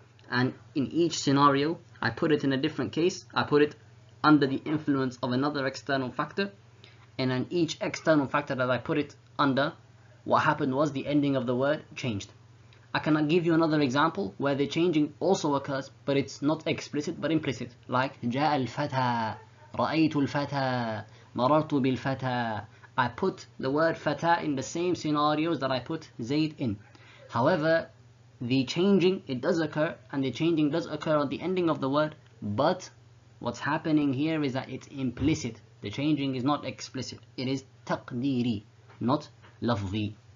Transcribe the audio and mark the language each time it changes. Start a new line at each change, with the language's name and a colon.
English: And in each scenario, I put it in a different case. I put it under the influence of another external factor. And in each external factor that I put it under, what happened was the ending of the word changed. I cannot give you another example where the changing also occurs, but it's not explicit, but implicit. Like,
Arabic: جاء الفتى, رأيت الفتى, مررت بالفتى.
English: I put the word فتى in the same scenarios that I put Zaid in. However, the changing, it does occur, and the changing does occur at the ending of the word, but what's happening here is that it's implicit. The changing is not explicit. It is taqdiri, not lafzi.